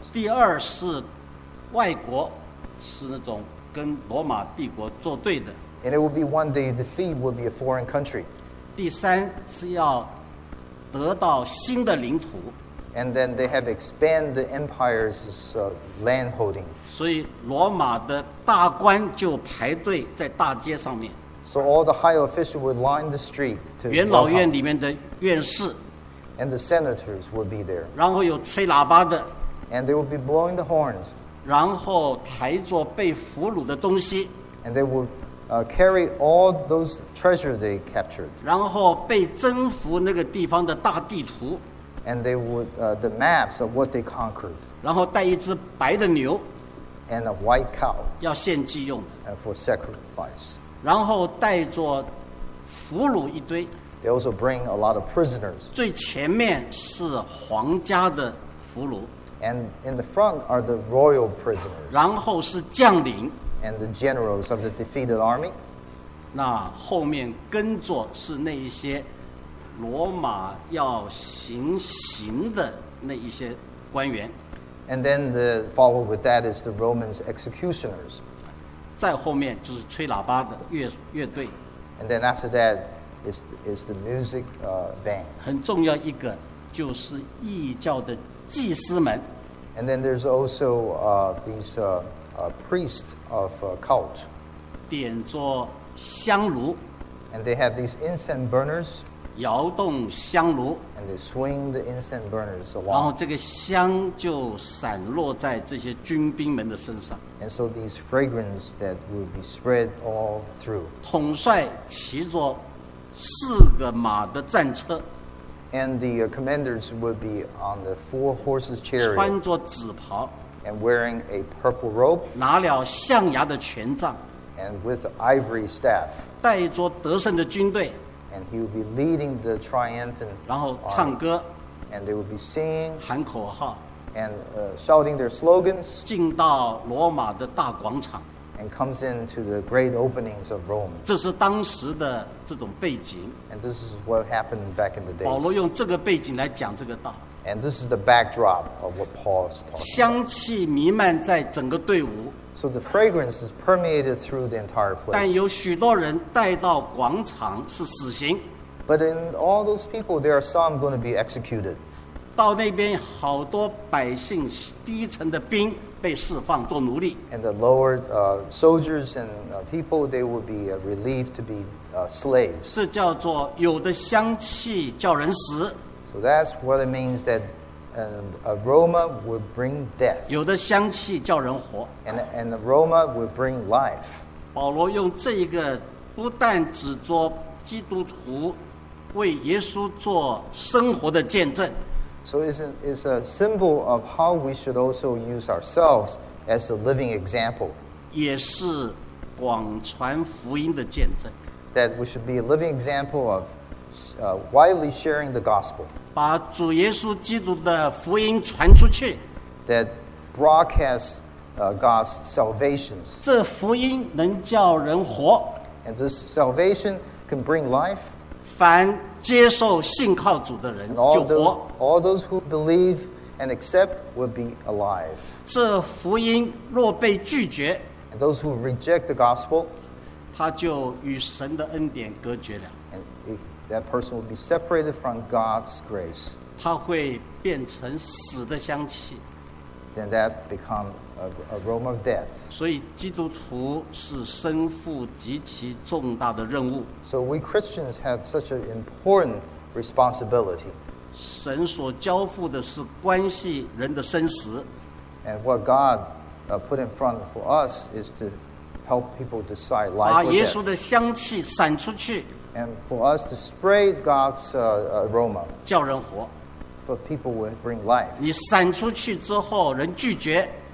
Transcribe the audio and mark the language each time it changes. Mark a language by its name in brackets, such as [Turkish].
[Chinese] 第二是外国，是那种跟罗马帝国作对的。 [English] And it will be one the defeat will be a foreign country. [Chinese] 第三是要得到新的领土。 [English] And then they have expanded the empire's land holding. [Chinese] 所以罗马的大官就排队在大街上面。 [English] So all the high officials would line the street to. [Chinese] 元老院里面的院士。 [English] And the senators would be there. [Chinese] 然后有吹喇叭的。 [English] And they would be blowing the horns. [Chinese] 然后抬着被俘虏的东西。 [English] And they would carry all those treasure they captured. [Chinese] 然后被征服那个地方的大地图。 [English] And they would the maps of what they conquered. [Chinese] 然后带一只白的牛 [English] ，and a white cow. [Chinese] 要献祭用的 [English] ，and for sacrifice. [Chinese] 然后带着俘虏一堆 [English] ，they also bring a lot of prisoners. [Chinese] 最前面是皇家的俘虏 [English] ，and in the front are the royal prisoners. [Chinese] 然后是将领 [English] ，and the generals of the defeated army. [Chinese] 那后面跟着是那一些。罗马要行刑的那一些官员 [English] ，and then the follow with that is the Romans executioners. [Chinese] 再后面就是吹喇叭的乐队 [English] ，and then after that is the music band. [Chinese] 很重要一个就是异教的祭司们 [English] ，and then there's also priests of cult. [Chinese] 点着香炉 [English] ，and they have these incense burners. [Chinese] 摇动香炉 [English] and they swing the incense burners along. [Chinese] 然后这个香就散落在这些军兵们的身上 [English] and so these fragrance that will be spread all through [Chinese] 统帅骑着四个马的战车 [English] and the commanders will be on the four horses chariot [Chinese] 穿着紫袍 [English] and wearing a purple robe [Chinese] 拿了象牙的权杖 [English] and with ivory staff [Chinese] 带着得胜的军队 [English] And he will be leading the triumphant army. [Chinese] 然后唱歌 [English] And they will be singing. [Chinese] 喊口号 [English] And shouting their slogans. [Chinese] 进到罗马的大广场 [English] And comes into the great openings of Rome. [Chinese] 这是当时的这种背景 [English] And this is what happened back in the days. [Chinese] 保罗用这个背景来讲这个道 [English] And this is the backdrop of what Paul is talking about. [Chinese] 香气弥漫在整个队伍 [English] So the fragrance is permeated through the entire place. [Chinese] 但有许多人带到广场是死刑。 [English] But in all those people, there are some going to be executed. [Chinese] 到那边好多百姓低层的兵被释放做奴隶。 [English] And the lower soldiers and people, they will be relieved to be slaves. [Chinese] 这叫做有的香气叫人死。 [English] So that's what it means that aroma will bring death. [Chinese] 有的香气叫人活。 [English] And aroma will bring life. [Chinese] 保罗用这一个不但指着基督徒为耶稣做生活的见证。 [English] So it's a symbol of how we should also use ourselves as a living example. [Chinese] 也是广传福音的见证。 [English] That we should be a living example of widely sharing the gospel. [Chinese] 把主耶稣基督的福音传出去。 [English] That broadcast God's salvation. [Chinese] 这福音能叫人活。 [English] And this salvation can bring life. [Chinese] 凡接受信靠主的人就活。 [English] All those who believe and accept will be alive. [Chinese] 这福音若被拒绝。 [English] And those who reject the gospel. [Chinese] 他就与神的恩典隔绝了。 [English] That person will be separated from God's grace. [Chinese] 他会变成死的香气。 [English] Then that becomes a aroma of death. [Chinese] 所以基督徒是身负极其重大的任务。 [English] So we Christians have such an important responsibility. [Chinese] 神所交付的是关系人的生死。 [English] And what God put in front for us is to help people decide life or death. [Chinese] 把耶稣的香气散出去。 [English] And for us to spread God's aroma, [Chinese] 叫人活 [English] for people will bring life. [Chinese] 你散出去之后，人拒绝